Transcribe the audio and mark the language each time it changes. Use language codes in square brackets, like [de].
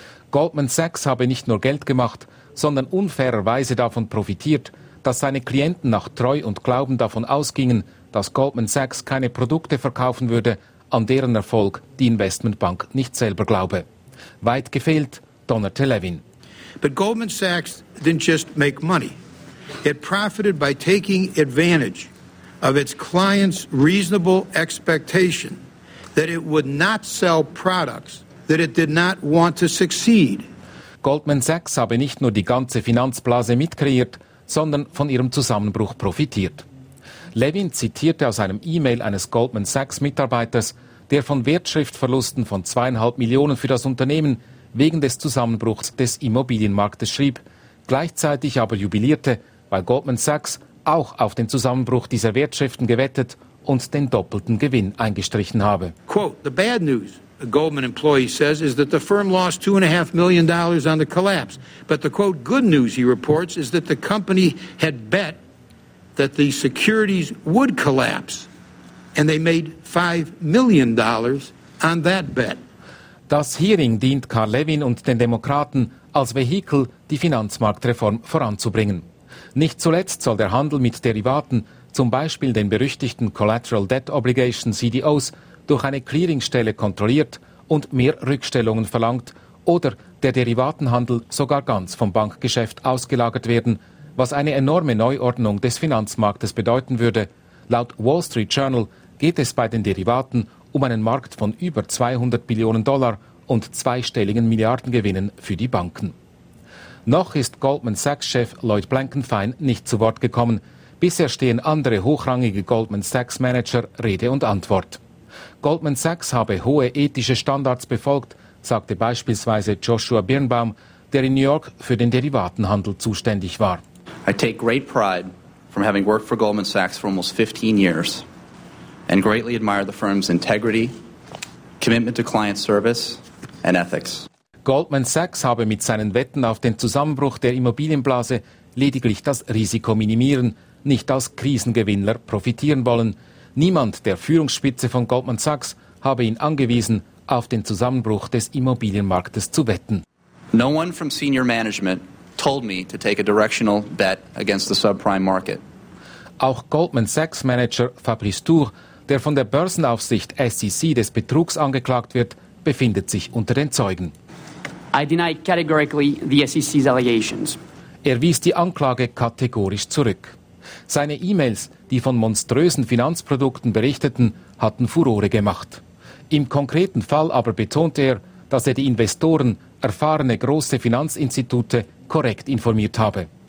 [de] Goldman Sachs habe nicht nur Geld gemacht, sondern unfairerweise davon profitiert, dass seine Klienten nach Treu und Glauben davon ausgingen, dass Goldman Sachs keine Produkte verkaufen würde, an deren Erfolg die Investmentbank nicht selber glaube. Weit gefehlt, donnerte Levin. [en] But Goldman Sachs didn't just make money. It profited by taking advantage of its clients' reasonable expectation that it would not sell products that it did not want to succeed. [de] Goldman Sachs habe nicht nur die ganze Finanzblase mitkreiert, sondern von ihrem Zusammenbruch profitiert. Levin zitierte aus einem E-Mail eines Goldman Sachs-Mitarbeiters, der von Wertschriftverlusten von 2,5 Millionen für das Unternehmen wegen des Zusammenbruchs des Immobilienmarktes schrieb, gleichzeitig aber jubilierte, weil Goldman Sachs auch auf den Zusammenbruch dieser Wertschriften gewettet und den doppelten Gewinn eingestrichen habe. [en] Quote, the bad news a Goldman employee says, is that the firm lost $2.5 million on the collapse. But the, quote, good news, he reports, is that the company had bet that the securities would collapse, and they made $5 million on that bet. [de] Das Hearing dient Carl Levin und den Demokraten als Vehikel, die Finanzmarktreform voranzubringen. Nicht zuletzt soll der Handel mit Derivaten, zum Beispiel den berüchtigten Collateral Debt Obligation CDOs, durch eine Clearingstelle kontrolliert und mehr Rückstellungen verlangt oder der Derivatenhandel sogar ganz vom Bankgeschäft ausgelagert werden, was eine enorme Neuordnung des Finanzmarktes bedeuten würde. Laut Wall Street Journal geht es bei den Derivaten um einen Markt von über 200 Billionen Dollar und zweistelligen Milliardengewinnen für die Banken. Noch ist Goldman Sachs-Chef Lloyd Blankenfein nicht zu Wort gekommen. Bisher stehen andere hochrangige Goldman Sachs-Manager Rede und Antwort. Goldman Sachs habe hohe ethische Standards befolgt, sagte beispielsweise Joshua Birnbaum, der in New York für den Derivatenhandel zuständig war. [en] I take great pride from having worked for Goldman Sachs for almost 15 years. And greatly admire the firm's integrity, commitment to client service and ethics. [de] Goldman Sachs habe mit seinen Wetten auf den Zusammenbruch der Immobilienblase lediglich das Risiko minimieren, nicht als Krisengewinner profitieren wollen. Niemand der Führungsspitze von Goldman Sachs habe ihn angewiesen, auf den Zusammenbruch des Immobilienmarktes zu wetten. [en] No one from senior management told me to take a directional bet against the subprime market. [de] Auch Goldman Sachs-Manager Fabrice Tour, der von der Börsenaufsicht SEC des Betrugs angeklagt wird, befindet sich unter den Zeugen. [en] I deny categorically the SEC's allegations. [de] Er wies die Anklage kategorisch zurück. Seine E-Mails, die von monströsen Finanzprodukten berichteten, hatten Furore gemacht. Im konkreten Fall aber betonte er, dass er die Investoren, erfahrene große Finanzinstitute, korrekt informiert habe.